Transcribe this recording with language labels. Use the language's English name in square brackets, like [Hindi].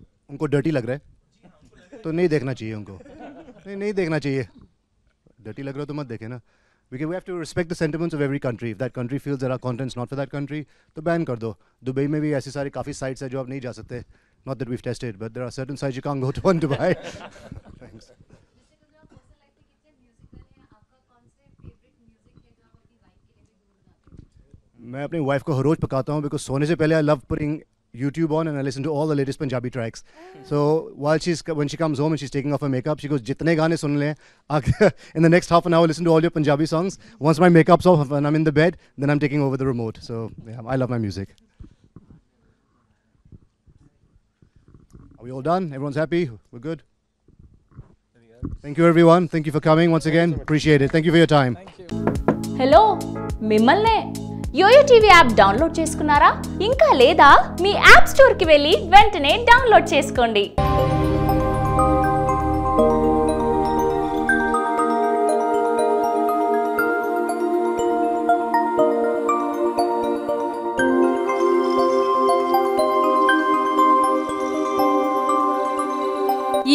[Hindi] उनको डर्टी लग रहा है तो नहीं देखना चाहिए उनको. नहीं देखना चाहिए. डर्टी लग रहा तो मत देखे ना. [English] Because we have to respect the sentiments of every country. If that country feels that our content is not for that country, [Hindi] तो ban कर दो. Dubai में भी ऐसी सारी काफी sites हैं जो आप नहीं जा सकते. [English] Not that we've tested, but there are certain sites you can't go to in Dubai. Thanks. [Hindi] मैं अपनी वाइफ को हर रोज पकाता हूँ, बिकॉज सोने से पहले [English] I love putting YouTube on and I listen to all the latest Punjabi tracks. So while she is when she comes home and she is taking off her makeup, she goes [Hindi] जितने गाने सुन लें [English] In the next half an hour listen to all your Punjabi songs. Once my makeup's off and I am in the bed, then I am taking over the remote. So I love my music. Are we all done? Everyone is happy? We good? Thank you everyone. Thank you for coming once again. Appreciate it. Thank you for your time. [Telugu] Hello, मिमल्ने yo-yo TV app download చేసుకున్నారా? ఇంకా లేదా, మీ app store కి వెళ్లి వెంటనే download చేసుకోండి.